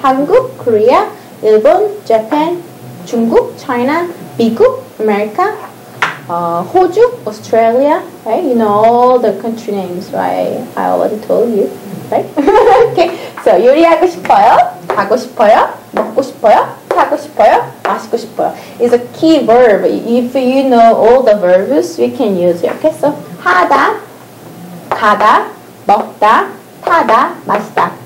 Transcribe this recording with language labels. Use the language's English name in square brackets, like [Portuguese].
[English] 한국, Korea, 일본, Japan, 중국, China, 미국, America, 호주, Australia, right? You know all the country names, right? I already told you, right? Okay, so [Korean] 요리하고 싶어요, 하고 싶어요, 먹고 싶어요, 하고 싶어요, 마시고 싶어요. [English] It's a key verb. If you know all the verbs, we can use it, okay? [Korean] So 하다, 가다, 먹다, 타다, 마시다.